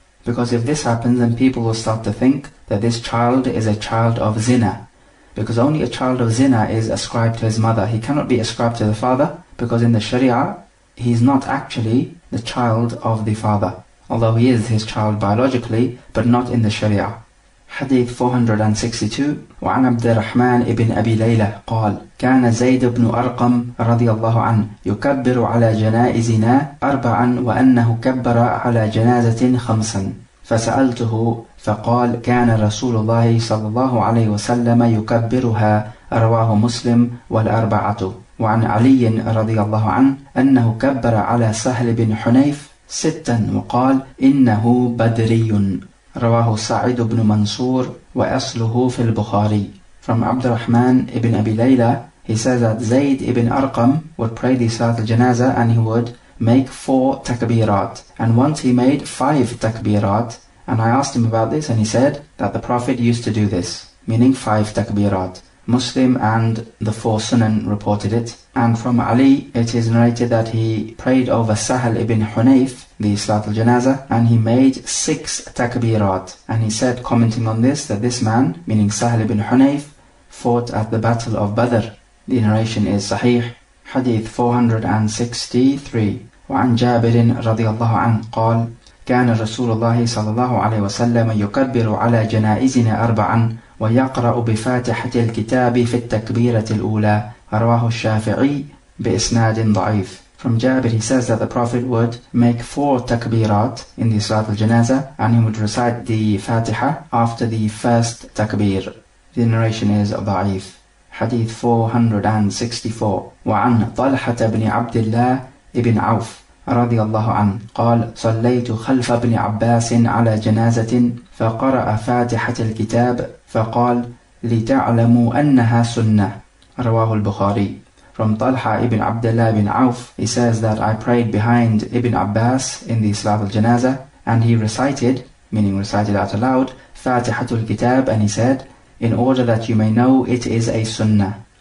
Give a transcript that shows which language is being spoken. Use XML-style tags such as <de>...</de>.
<en>Because if this happens, then people will start to think that this child is a child of zina. Because only a child of zina is ascribed to his mother. He cannot be ascribed to the father, because in the Sharia, he's not actually the child of the father. Although he is his child biologically, but not in the Sharia. Hadith 462.</en> <ar>وعن عبد الرحمن ابن أبي ليلى قال كان زيد بن أرقم رضي الله عنه يكبر على جنائزنا أربعا وأنه كبر على جنازة خمسا فسألته فقال كان رسول الله صلى الله عليه وسلم يكبرها رواه مسلم والأربعة. وعن علي رضي الله عنه أنه كبر على سهل بن حنيف ستا وقال إنه بدري رواه سعيد بن منصور وأصله في البخاري.</ar> <en>From عبد الرحمن ابن أبي ليلى, he says that Zayd ibn Arqam would pray the Salat al-Janazah and he would make 4 takbirat. And once he made 5 takbirat, and I asked him about this and he said that the Prophet used to do this, meaning 5 takbirat. Muslim and the 4 Sunan reported it. And from Ali, it is narrated that he prayed over Sahal ibn Hunayf, the Salat al-Janazah, and he made 6 takbirat. And he said, commenting on this, that this man, meaning Sahal ibn Hunayf, fought at the Battle of Badr. The narration is Sahih. Hadith 463.</en> <ar>وعن جابر رضي الله عنه قال كان رسول الله صلى الله عليه وسلم يكبر على جنائزنا أربعا وَيَقْرَأُ بِفَاتِحَةِ الْكِتَابِ فِي التَّكْبِيرَةِ الْأُولَى رَوَاهُ الشَّافِعِي بِإِسْنَادٍ ضَعِيفٍ.</ar> <en>From Jabir, he says that the Prophet would make 4 takbirat in the Salat al-Janazah and he would recite the Fatiha after the first takbir. The narration is ضعيف. Hadith 464.</en> <ar>وعن طلحة بن عبد الله بن عوف رضي الله عنه قال صليت خلف ابن عباس على جنازة فقرأ فاتحة الكتاب فقال لتعلموا أنها سنة. رواه البخاري.</ar> <en>From Talha ibn Abdullah ibn Auf, he says that I prayed behind Ibn Abbas in the Salat al-Janaza, and he recited, meaning recited out aloud, Fatihatul Kitab, and he said, in order that you may know it is a sunnah.</en>